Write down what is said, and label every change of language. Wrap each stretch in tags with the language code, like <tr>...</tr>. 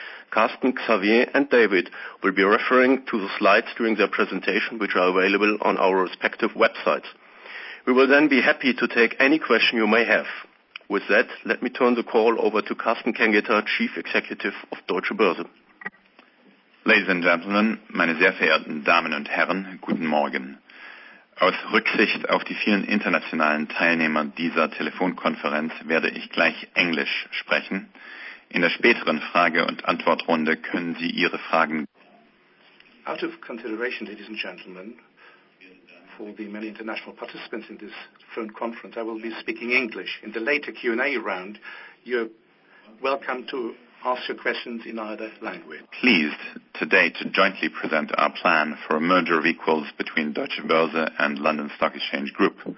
<en>Carsten, Xavier, and David will be referring to the slides during their presentation, which are available on our respective websites. We will then be happy to take any question you may have. With that, let me turn the call over to Carsten Kengeter, Chief Executive of Deutsche Börse. Ladies and gentlemen,</en> <de>meine sehr verehrten Damen und Herren, guten Morgen. Aus Rücksicht auf die vielen internationalen Teilnehmer dieser Telefonkonferenz werde ich gleich Englisch sprechen. In der späteren Frage- und Antwortrunde können Sie Ihre Fragen.</de> <en>Out of consideration, ladies and gentlemen, for the many international participants in this phone conference, I will be speaking English. In the later Q&A round, you're welcome to ask your questions in either language. Pleased today to jointly present our plan for a merger of equals between Deutsche Börse and London Stock Exchange Group.</en>